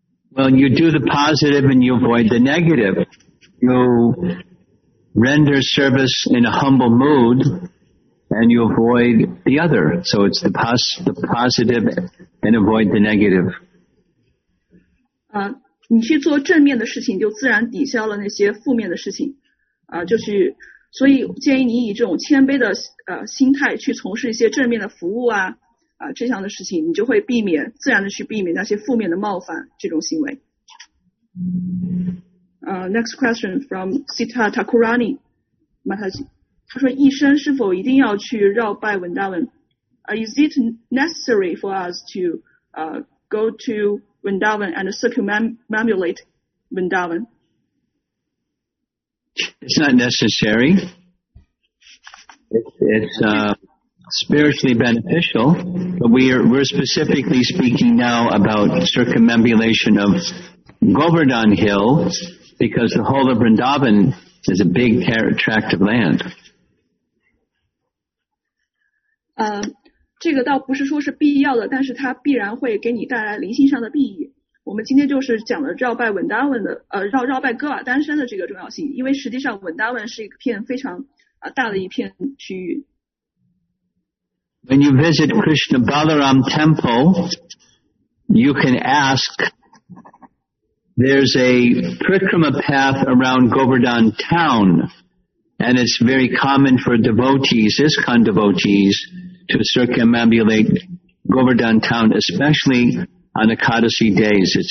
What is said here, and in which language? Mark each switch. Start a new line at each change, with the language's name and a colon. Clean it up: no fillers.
English: Well, you do the positive and you avoid the negative. You render service in a humble mood and you avoid the other. So it's the positive and avoid the negative.
Chinese: 你去做正面的事情就自然抵消了那些负面的事情。就是所以建议你以这种谦卑的心态去从事一些正面的服务这样的事情，你就会避免自然的去避免那些负面的冒犯这种行为。
English: Next question from Sita Takurani Mataji.
Chinese: 他说一生是否一定要去绕拜文达文
English: Is it necessary for us to go to Vrindavan and circumambulate Vrindavan? It's not necessary. It's spiritually beneficial, but we're specifically speaking now about circumambulation of Govardhan Hill because the whole of Vrindavan is a big tract of land.
Chinese: 这个倒不是说是必要的，但是它必然会给你带来灵性上的裨益。我们今天就是讲了绕拜文达文的绕拜戈瓦丹山的这个重要性，因为实际上文达文是一片非常大的一片区域。
English: When you visit Krishna Balaram Temple, you can ask, there's a Prakrama path around Govardhan town, and it's very common for devotees, ISKCON devotees, to circumambulate Govardhan town, especially on Ekadasi days.